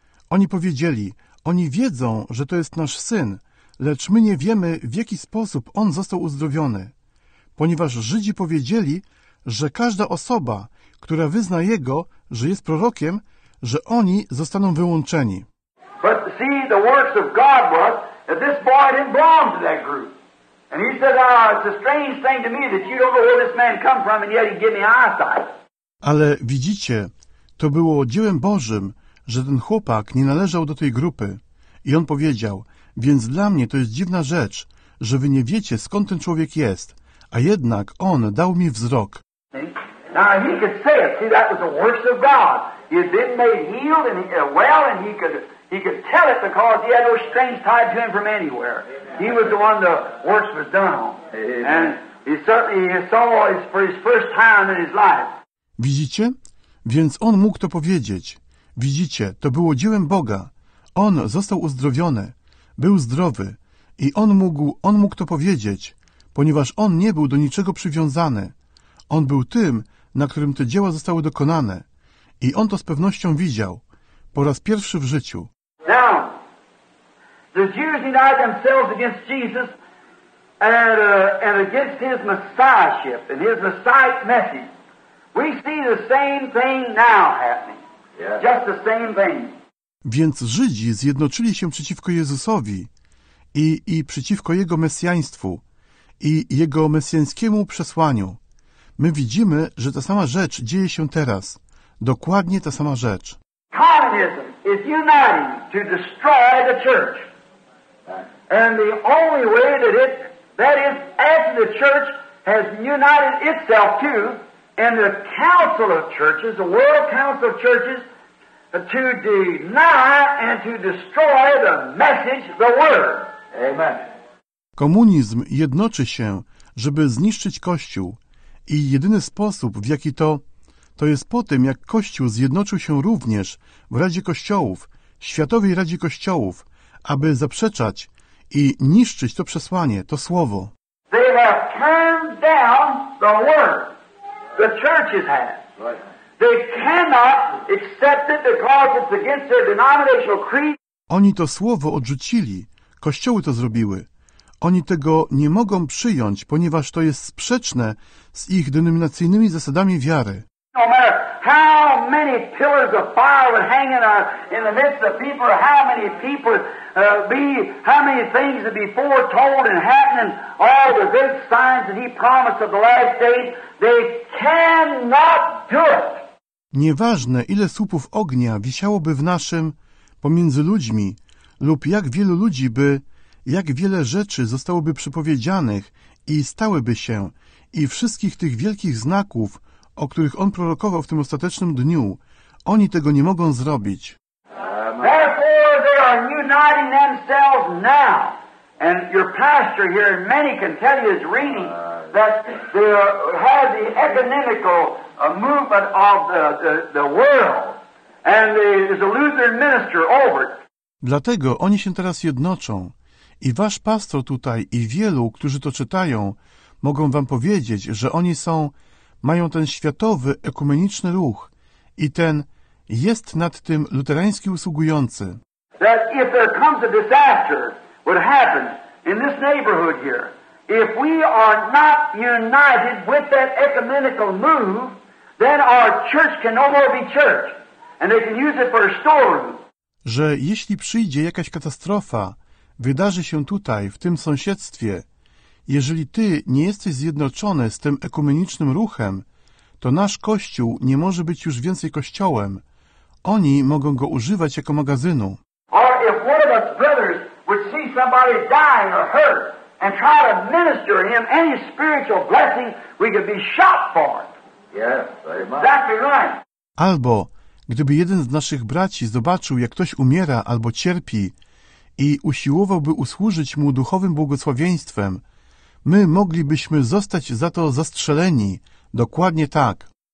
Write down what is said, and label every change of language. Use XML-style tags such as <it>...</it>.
<pl>Oni powiedzieli, oni wiedzą, że to jest nasz syn, lecz my nie wiemy, w jaki sposób on został uzdrowiony. Ponieważ Żydzi powiedzieli, że każda osoba, która wyzna jego, że jest prorokiem, że oni zostaną wyłączeni.</pl> <en>But see, the works of God was that this boy didn't belong to that group. And he said, it's a strange thing to me that you don't know where this man come from and yet he gave me eyesight.</en> <pl>Ale widzicie, to było dziełem Bożym, że ten chłopak nie należał do tej grupy. I on powiedział, więc dla mnie to jest dziwna rzecz, że wy nie wiecie, skąd ten człowiek jest, a jednak on dał mi wzrok.</pl> <en>Now he could say it. See, that was the works of God. He had been made healed and well, and he could tell it because he had no strange tied to him from anywhere. He was the one the works was done on. And he certainly saw it for his first time in his life.</en> <pl>Widzicie? Więc on mógł to powiedzieć. Widzicie, to było dziełem Boga. On został uzdrowiony. Był zdrowy. I on mógł to powiedzieć, ponieważ on nie był do niczego przywiązany. On był tym, na którym te dzieła zostały dokonane. I on to z pewnością widział. Po raz pierwszy w życiu.</pl> <en>Now, the Jews united themselves against Jesus and against his messiahship and his messiah message. We see the same thing now happening. Just the same thing.</en> <pl>Więc Żydzi zjednoczyli się przeciwko Jezusowi i przeciwko Jego mesjaństwu i Jego mesjańskiemu przesłaniu. My widzimy, że ta sama rzecz dzieje się teraz. Dokładnie ta sama rzecz.</pl> <en>Communism is uniting to destroy the church. And the only way that is after the church has united itself too, and the council of churches, the world council of churches, to deny and to destroy the message, the word. Amen.</en> <pl>Komunizm jednoczy się, żeby zniszczyć Kościół. I jedyny sposób, w jaki to jest po tym, jak Kościół zjednoczył się również w Radzie Kościołów, Światowej Radzie Kościołów, aby zaprzeczać i niszczyć to przesłanie, to słowo.</pl> <en>They have turned down the word the churches have. They cannot accept it because it's against their denominational creed.</en> <pl>Oni to słowo odrzucili, Kościoły to zrobiły. Oni tego nie mogą przyjąć, ponieważ to jest sprzeczne z ich denominacyjnymi zasadami wiary.</pl> <en>No matter how many pillars of fire would hang in the midst of people, how many people be, how many things would be foretold and happening, all the good signs that he promised of the last days, they cannot do it.</en> <pl>Nieważne, ile słupów ognia wisiałoby w naszym, pomiędzy ludźmi, lub jak wielu ludzi by, jak wiele rzeczy zostałoby przepowiedzianych i stałyby się, i wszystkich tych wielkich znaków, o których on prorokował w tym ostatecznym dniu, oni tego nie mogą zrobić.</pl> <en>Therefore they are uniting themselves now. And your pastor here, and many can tell you, is reading that they have the ecumenical movement of the world. And there is a Lutheran minister over it.</en> <pl>Dlatego oni się teraz jednoczą. I wasz pastor tutaj, i wielu, którzy to czytają, mogą wam powiedzieć, że oni są, mają ten światowy ekumeniczny ruch i ten jest nad tym luterański usługujący.</pl> <en>That if there comes a disaster, what happens in this neighborhood here, if we are not united with that ecumenical move, then our church can no more be church, and they can use it for a storeroom.</en> <pl>Że jeśli przyjdzie jakaś katastrofa, wydarzy się tutaj, w tym sąsiedztwie, jeżeli ty nie jesteś zjednoczony z tym ekumenicznym ruchem, to nasz kościół nie może być już więcej kościołem. Oni mogą go używać jako magazynu.</pl> <en>Or if one of us brothers would see somebody dying or hurt and try to minister him any spiritual blessing, we could be shot for it. Yes, exactly right.</en> <pl>Albo gdyby jeden z naszych braci zobaczył, jak ktoś umiera albo cierpi, i usiłowałby usłużyć mu duchowym błogosławieństwem, my moglibyśmy zostać za to zastrzeleni. Dokładnie tak.</pl>